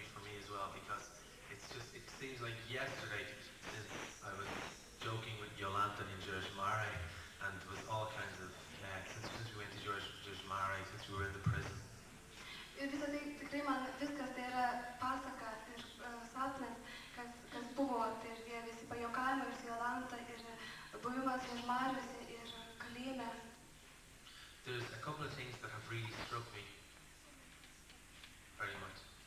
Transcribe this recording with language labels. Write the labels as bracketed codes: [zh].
[en] seems like yesterday I was joking with Yolanta in Jerusalem, and it was all kinds of since we went to Jerusalem, since we were in the prison. [lt] Ir visą tai tikrai man viskas tai yra pasaka ir sapnas, kas buvo, tai ir jie visi pajokavimai, ir Jolanta, ir buvimas už Marius, ir kalėjime. [en] There's a couple of things that have really struck me very much.